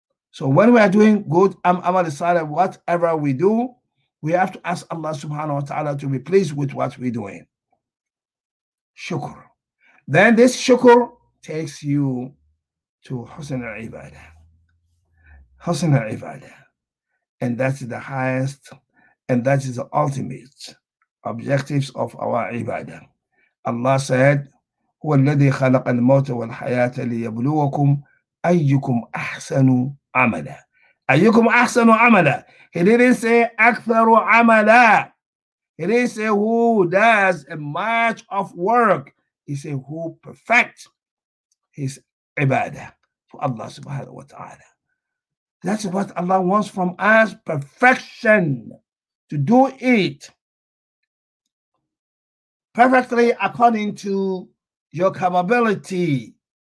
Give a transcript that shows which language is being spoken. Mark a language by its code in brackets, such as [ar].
[en] So when we are doing good amal salih, whatever we do, we have to ask Allah subhanahu wa ta'ala to be pleased with what we're doing. Shukr. Then this shukr takes you to husn al-ibadah. Husn al-ibadah. And that's the highest, and that is the ultimate objectives of our ibadah. [ar] Allah said, هو الذي خلق الموت والحياة ليبلوكم أيكم أحسن عملا أيكم أحسن عملا. [en] He didn't say [ar] أكثر عملا. [en] He didn't say who does a much of work. He said who perfect his ibadah to Allah subhanahu wa ta'ala. That's what Allah wants from us, perfection, to do it perfectly according to your capability.